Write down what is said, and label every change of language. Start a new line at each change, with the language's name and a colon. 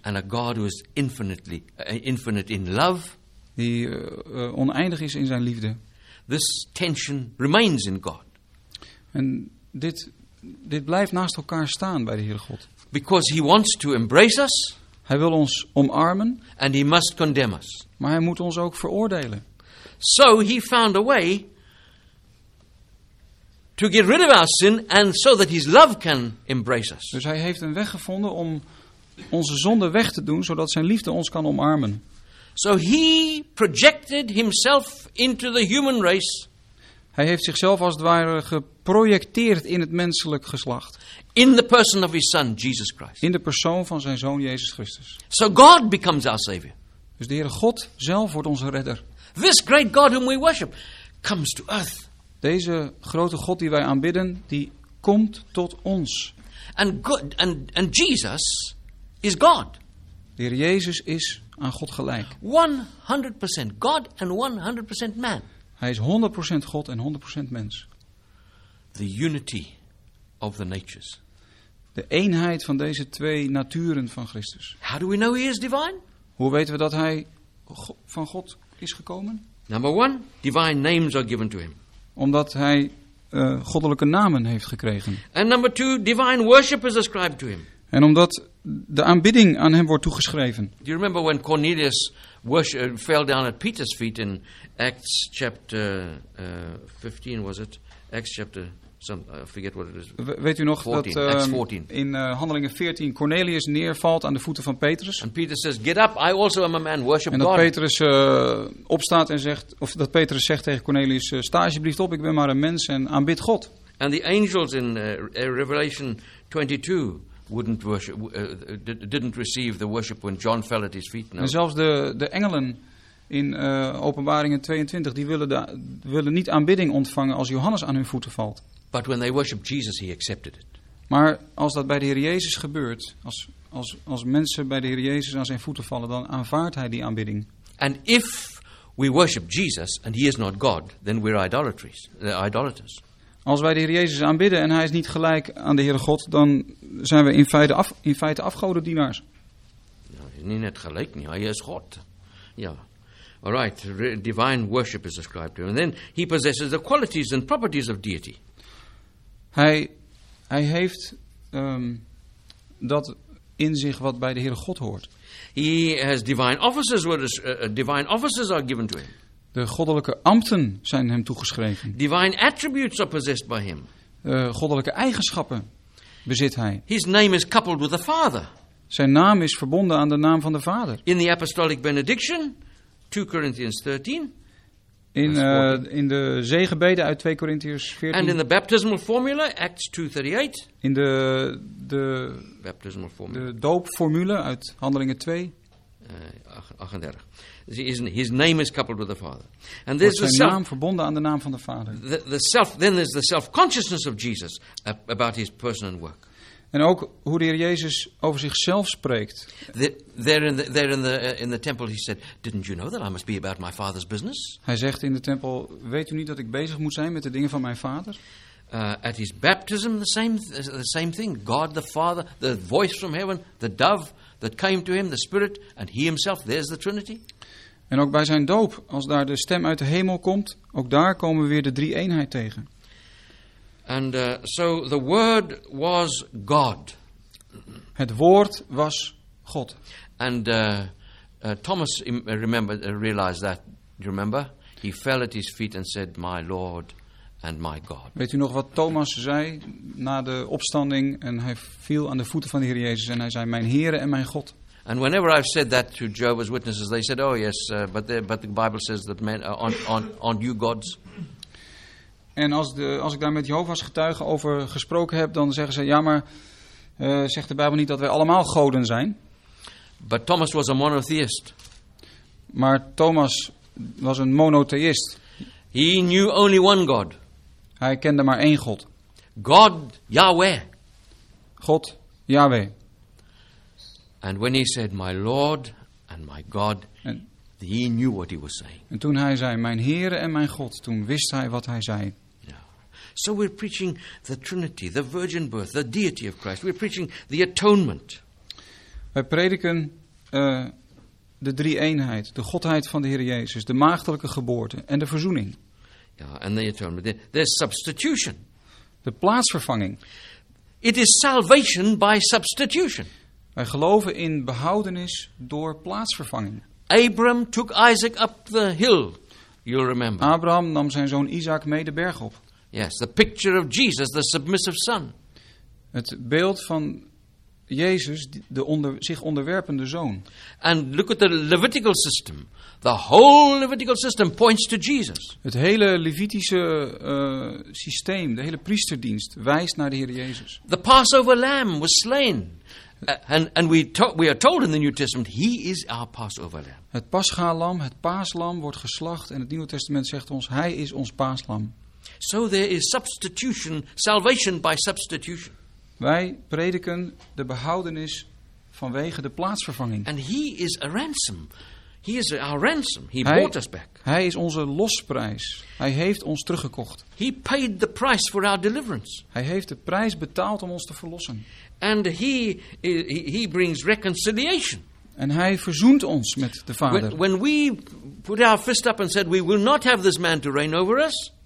English: And a God who is infinitely infinite in love.
Dutch: Die oneindig is in zijn liefde.
English: This tension remains in God.
Dutch: En dit blijft naast elkaar staan bij de Heere God.
English: Because he wants to embrace us.
Dutch: Hij wil ons omarmen.
English: And he must condemn us.
Dutch: Maar hij moet ons ook veroordelen.
English: So he found a way to get rid of our sin and so that his love can embrace us.
Dutch: Dus hij heeft een weg gevonden om onze zonde weg te doen zodat zijn liefde ons kan omarmen.
English: So he projected himself into the human race.
Dutch: Hij heeft zichzelf als het ware geprojecteerd in het menselijk geslacht.
English: In the person of his son Jesus Christ.
Dutch: In de persoon van zijn zoon Jezus Christus.
English: So God becomes our savior.
Dutch: Dus de Heere God zelf wordt onze redder.
English: This great God whom we worship comes to earth.
Dutch: Deze grote God die wij aanbidden, die komt tot ons.
English: And Jesus is God.
Dutch: De Heer Jezus is aan God gelijk.
English: 100% God and 100% man.
Dutch: Hij is 100% God en 100% mens.
English: The unity of the natures.
Dutch: De eenheid van deze twee naturen van Christus.
English: How do we know he is divine?
Dutch: Hoe weten we dat hij van God is gekomen?
English: Number one, divine names are given to him.
Dutch: Omdat hij goddelijke namen heeft gekregen.
English: And number two, divine worship is ascribed to him.
Dutch: En omdat de aanbidding aan hem wordt toegeschreven.
English: Do you remember when Cornelius fell down at Peter's feet in Acts chapter 15, was it? Acts chapter, I forget what it is.
Dutch: Weet u nog 14, dat in Handelingen 14 Cornelius neervalt aan de voeten van Petrus?
English: And Peter says, get up, I also am a man, worship God.
Dutch: En dat Petrus opstaat en zegt, of dat Petrus zegt tegen Cornelius, sta alsjeblieft op, ik ben maar een mens en aanbid God.
English: And the angels in Revelation 22 wouldn't worship, didn't receive the worship when John fell at his feet. No.
Dutch: En zelfs de engelen in Openbaringen 22, die willen niet aanbidding ontvangen als Johannes aan hun voeten valt.
English: But when they worship Jesus, he accepted it.
Dutch: Maar als dat bij de Heer Jezus gebeurt, als mensen bij de Heer Jezus aan zijn voeten vallen, dan aanvaardt hij die aanbidding.
English: And if we worship Jesus and he is not God, then we're idolaters.
Dutch: Als wij de Heer Jezus aanbidden en hij is niet gelijk aan de Heere God, dan zijn we in feite afgodendienaars. Ja, hij is niet net gelijk, nee, hij is God. Ja.
English: All right, divine worship is ascribed to him. And then he possesses the qualities and properties of deity.
Dutch: Hij heeft dat in zich wat bij de Heere God hoort.
English: He has divine offices, divine offices are given to him.
Dutch: De goddelijke ambten zijn hem toegeschreven.
English: Divine attributes are possessed by him.
Dutch: Goddelijke eigenschappen bezit hij.
English: His name is coupled with the Father.
Dutch: Zijn naam is verbonden aan de naam van de Vader.
English: In the apostolic benediction, 2 Corinthians 13.
Dutch: In de zegenbeden uit 2 Corinthians 14.
English: And in the baptismal formula, Acts 2:38.
Dutch: In de
English: baptismal formula.
Dutch: De doopformule uit Handelingen 2.
English: 38. His name is coupled with the Father. And there's
Dutch: zijn naam verbonden aan de naam van de Vader.
English: The self, then there's the self-consciousness of Jesus about his person and work.
Dutch: En ook hoe de Heer Jezus over zichzelf spreekt.
English: There in the temple he said, didn't you know that I must be about my father's business?
Dutch: Hij zegt in de tempel, weet u niet dat ik bezig moet zijn met de dingen van mijn vader?
English: At his baptism the same thing, God the Father, the voice from heaven, the dove that came to him, the Spirit, and he himself, there's the Trinity.
Dutch: En ook bij zijn doop, als daar de stem uit de hemel komt, ook daar komen we weer de drie eenheid tegen.
English: And so the word was God.
Dutch: Het woord was God.
English: And Thomas realized that, you remember? He fell at his feet and said, my Lord and my God.
Dutch: Weet u nog wat Thomas zei na de opstanding? En hij viel aan de voeten van de Heer Jezus en hij zei, mijn Heere en mijn God.
English: And whenever I've said that to Jehovah's Witnesses, they said, oh yes, but the Bible says that men aren't you gods?
Dutch: En als ik daar met Jehovah's getuigen over gesproken heb, dan zeggen ze, ja, maar zegt de Bijbel niet dat wij allemaal goden zijn?
English: But Thomas was a monotheist.
Dutch: Maar Thomas was een monotheist.
English: He knew only one God.
Dutch: Hij kende maar één God.
English: God Yahweh.
Dutch: God Yahweh.
English: And when he said, my Lord and my God, he knew what he was saying.
Dutch: En toen hij zei, mijn Heere en mijn God, toen wist hij wat hij zei.
English: So we're preaching the Trinity, the virgin birth, the deity of Christ. We're preaching the atonement.
Dutch: Wij prediken de drie eenheid, de godheid van de Heer Jezus, de maagdelijke geboorte en de verzoening.
English: Ja, yeah, and the atonement, the substitution.
Dutch: De plaatsvervanging.
English: It is salvation by substitution.
Dutch: Wij geloven in behoudenis door plaatsvervanging.
English: Abram took Isaac up the hill, you'll remember.
Dutch: Abraham nam zijn zoon Isaac mee de berg op.
English: Yes, the picture of Jesus, the submissive son.
Dutch: Het beeld van Jezus, de zich onderwerpende zoon.
English: And look at the Levitical system. The whole Levitical system points to Jesus.
Dutch: Het hele Levitische systeem, de hele priesterdienst, wijst naar de Heer Jezus.
English: The Passover lamb was slain. We are told in the New Testament, he is our Passover lamb.
Dutch: Het paschalam, het paaslam wordt geslacht en het Nieuwe Testament zegt ons, hij is ons paaslam.
English: So there is substitution, salvation by substitution.
Dutch: Wij prediken de behoudenis vanwege de plaatsvervanging.
English: And he is a ransom. He is our ransom. He bought us back.
Dutch: Hij is onze losprijs. Hij heeft ons teruggekocht.
English: He paid the price for our deliverance.
Dutch: Hij heeft de prijs betaald om ons te verlossen.
English: And he brings reconciliation.
Dutch: En hij verzoent ons met de Vader.
English: When we put our fist up and said we will not have this man to reign over us.